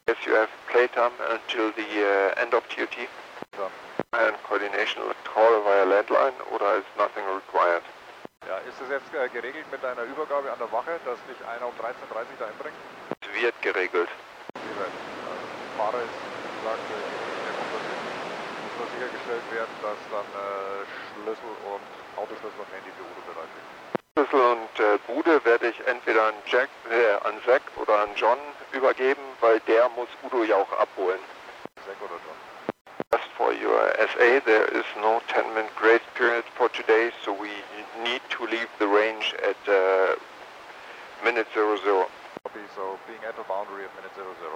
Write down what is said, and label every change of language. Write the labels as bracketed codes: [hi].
[en] Yes, you have playtime until the end of duty. Done. And coordination call via landline, oder is nothing required? [de] Ja, ist es jetzt geregelt mit deiner Übergabe an der Wache, dass dich einer um 13:30 da einbringt? Es wird geregelt. Wie weit? Fahrer ist gesagt, sichergestellt werden, dass dann Schlüssel und Autoschlüssel und Handy für Udo bereit sind. Schlüssel und Bude werde ich entweder an Jack, an Zack oder an John übergeben, weil der muss Udo ja auch abholen. Zack oder John? [en] Just for your SA, there is no 10-minute grace period for today, so we need to leave the range at minute 00. Copy, so being at the boundary at minute 00.